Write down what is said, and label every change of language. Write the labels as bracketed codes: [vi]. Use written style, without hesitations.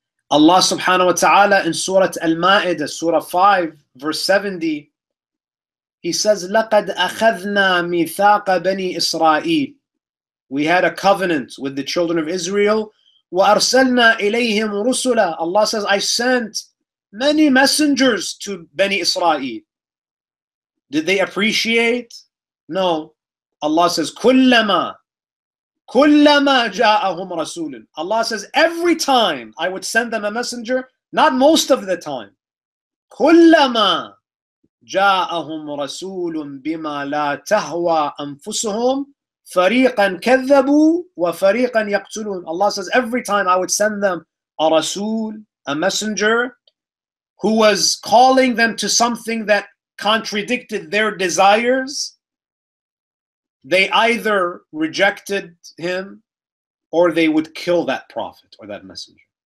[en] Allah subhanahu wa ta'ala in Surah Al-Ma'idah, Surah 5, verse 70, He says, [ar] لَقَدْ أَخَذْنَا مِثَاقَ بَنِي إِسْرَائِيلِ. [en] We had a covenant with the children of Israel. [ar] وَأَرْسَلْنَا إِلَيْهِمْ رُسُلًا. [en] Allah says, I sent many messengers to Bani Israel. Did they appreciate? No. Allah says, [ar] كُلَّمَا جَاءَهُمْ رَسُولٌ. [en] Allah says, every time I would send them a messenger, not most of the time. [ar] كُلَّمَا جَاءَهُمْ رَسُولٌ بِمَا لَا تَهْوَى أَنفُسُهُمْ فَرِيقًا كَذَّبُوا وَفَرِيقًا يَقْتُلُونَ. [en] Allah says, every time I would send them a Rasul, a messenger, who was calling them to something that contradicted their desires, they either rejected him or they would kill that prophet or that messenger.